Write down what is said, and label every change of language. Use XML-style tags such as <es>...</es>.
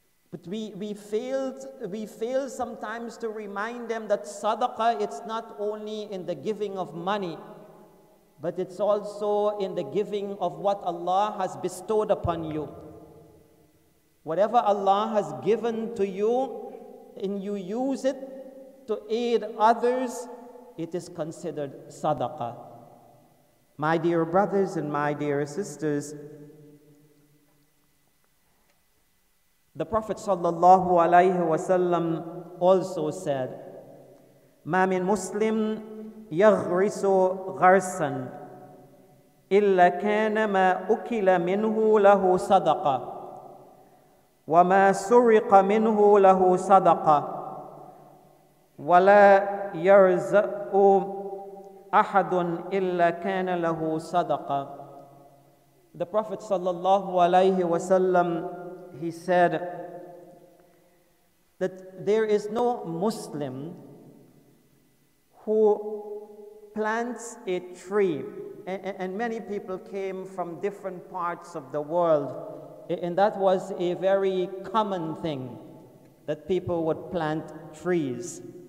<en>But we fail sometimes to remind them that sadaqah, it's not only in the giving of money, but it's also in the giving of what Allah has bestowed upon you. Whatever Allah has given to you, and you use it to aid others, it is considered sadaqah. My dear brothers and my dear sisters, the Prophet sallallahu alayhi wa sallam also said,</en> <ar>ما من مسلم يغرس غرسا إلا كان ما أكل منه له صدقة وما سرق منه له صدقة ولا يرزق أحد إلا كان له صدقة.</ar> <en>The Prophet sallallahu alayhi wa sallam, he said that there is no Muslim who plants a tree, and many people came from different parts of the world, and that was a very common thing, that people would plant trees.</en>